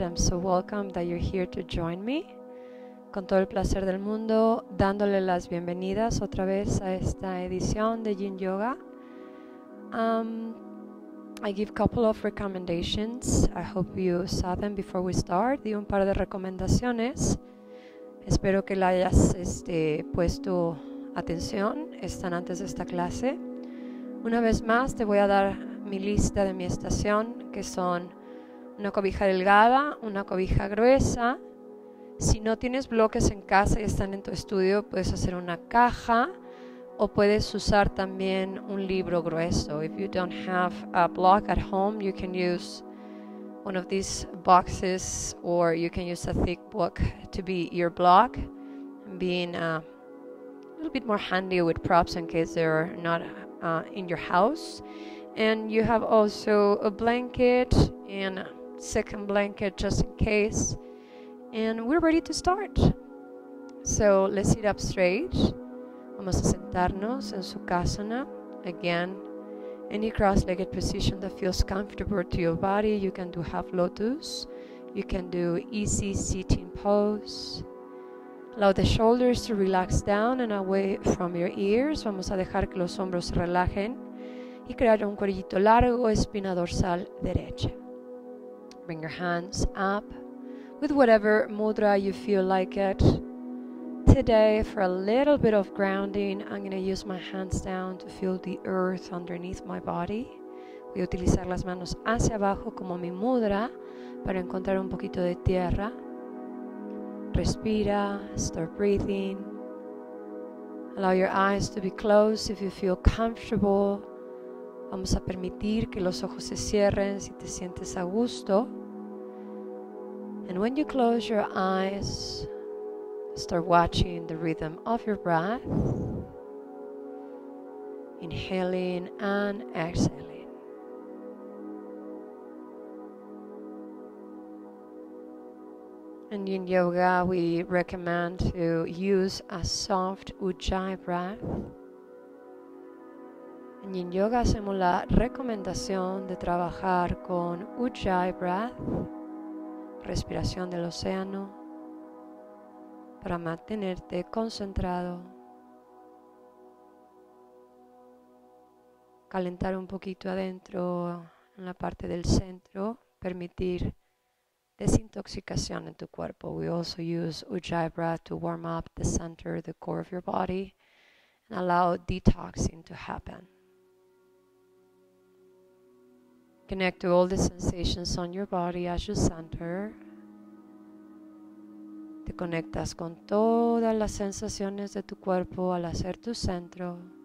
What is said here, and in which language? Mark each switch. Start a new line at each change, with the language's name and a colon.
English: I'm so welcome that you're here to join me.
Spanish: Con todo el placer del mundo, dándole las bienvenidas otra vez a esta edición de Yin Yoga.
English: I give a couple of recommendations. I hope you saw them before we start.
Spanish: Di un par de recomendaciones. Espero que la hayas puesto atención, están antes de esta clase. Una vez más, te voy a dar mi lista de mi estación, que son una cobija delgada, una cobija gruesa. Si no tienes bloques en casa y están en tu estudio, puedes hacer una caja o puedes usar también un libro grueso.
English: If you don't have a block at home, you can use one of these boxes or you can use a thick book to be your block, being a little bit more handy with props in case they're not in your house. And you have also a blanket and a second blanket just in case. And we're ready to start. So let's sit up straight.
Spanish: Vamos a sentarnos en su casana.
English: Again, any cross-legged position that feels comfortable to your body. You can do half lotus. You can do easy sitting pose. Allow the shoulders to relax down and away from your ears.
Spanish: Vamos a dejar que los hombros se relajen y crear un cuellito largo, espina dorsal derecha.
English: Bring your hands up with whatever mudra you feel like it. Today, for a little bit of grounding, I'm going to use my hands down to feel the earth underneath my body.
Spanish: Voy a utilizar las manos hacia abajo como mi mudra para encontrar un poquito de tierra. Respira,
English: start breathing. Allow your eyes to be closed if you feel comfortable.
Spanish: Vamos a permitir que los ojos se cierren si te sientes a gusto.
English: And when you close your eyes, start watching the rhythm of your breath. Inhaling and exhaling. And in yoga, we recommend to use a soft ujjayi breath.
Spanish: En yin yoga hacemos la recomendación de trabajar con ujjayi breath, respiración del océano, para mantenerte concentrado. Calentar un poquito adentro, en la parte del centro, permitir desintoxicación en tu cuerpo.
English: We also use ujjayi breath to warm up the center, the core of your body, and allow detoxing to happen. Connect to all the sensations on your body as you center.
Spanish: Te conectas con todas las sensaciones de tu cuerpo al hacer tu centro.